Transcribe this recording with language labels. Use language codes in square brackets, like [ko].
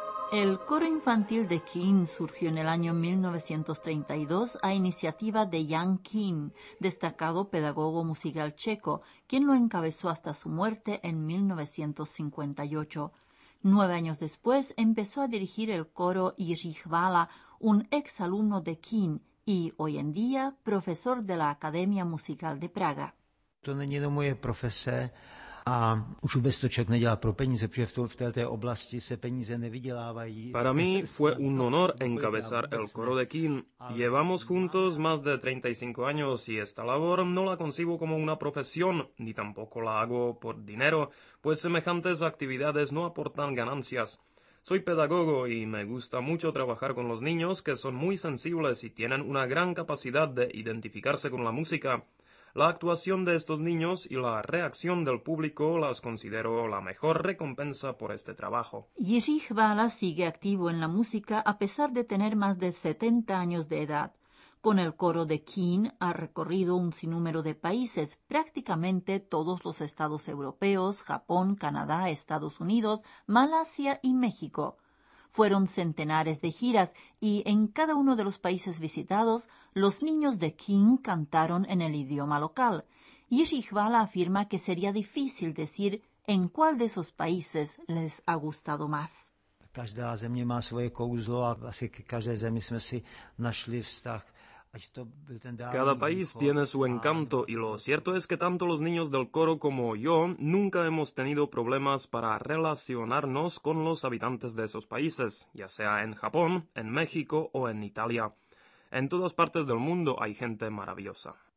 [es] El coro infantil de Kín surgió en el año 1932 a iniciativa de Jan Kín, destacado pedagogo musical checo, quien lo encabezó hasta su muerte en 1958. 9 años después empezó a dirigir el coro Jiříhvála, un exalumno de Kín y, hoy en día, profesor de la Academia Musical de Praga. [cs] To není jenom moje profese. A už vůbec to člověk nedělá pro peníze, protože v této oblasti se peníze nevydělávají. [es] Para mí fue un honor encabezar el coro de Kín. Llevamos juntos más de 35 años y esta labor no la concibo como una profesión, ni tampoco la hago por dinero, pues semejantes actividades no aportan ganancias. Soy pedagogo y me gusta mucho trabajar con los niños que son muy sensibles y tienen una gran capacidad de identificarse con la música. La actuación de estos niños y la reacción del público las considero la mejor recompensa por este trabajo. Jiříhvála sigue activo en la música a pesar de tener más de 70 años de edad. Con el coro de Kín ha recorrido un sinnúmero de países, prácticamente todos los estados europeos, Japón, Canadá, Estados Unidos, Malasia y México. Fueron centenares de giras y en cada uno de los países visitados, los niños de Kín cantaron en el idioma local. Jiříhvála afirma que sería difícil decir en cuál de esos países les ha gustado más. [cs] Každá země má svoje kouzlo a asi k každé zemi jsme si našli vztah. [es] Cada país tiene su encanto y lo cierto es que tanto los niños del coro como yo nunca hemos tenido problemas para relacionarnos con los habitantes de esos países, ya sea en Japón, en México o en Italia. En todas partes del mundo hay gente maravillosa.